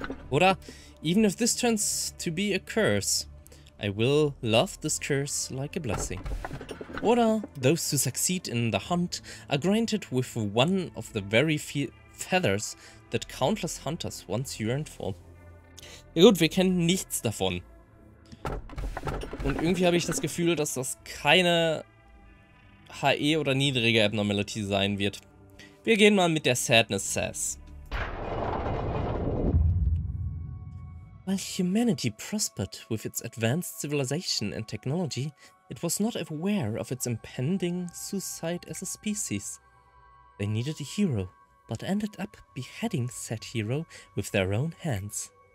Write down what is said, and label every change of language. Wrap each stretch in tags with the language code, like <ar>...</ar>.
<en>Oder, even if this turns to be a curse, I will love this curse like a blessing. Oder, those who succeed in the hunt are granted with one of the very feathers that countless hunters once yearned for.</en> <de>Ja gut, wir kennen nichts davon. Und irgendwie habe ich das Gefühl, dass das keine HE oder niedrige Abnormality sein wird. Wir gehen mal mit der Sadness Sass.</de> <en>While humanity prospered with its advanced civilization and technology, it was not aware of its impending suicide as a species. They needed a hero, but ended up beheading said hero with their own hands.</en>